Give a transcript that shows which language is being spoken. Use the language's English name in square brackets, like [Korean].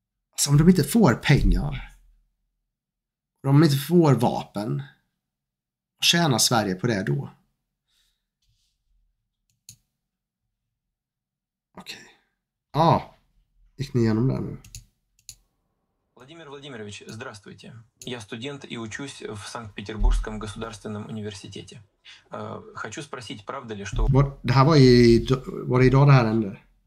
[Swedish] Alltså om de inte får pengar. Om de inte får vapen. Tjänar Sverige på det då? Ja, ah, gick ni igenom där nu? [Russian] Владимир Владимирович, здравствуйте. Я студент и учусь в Санкт-Петербургском государственном университете. Хочу спросить, правда ли, что... [Swedish] Det här var idag det här hände.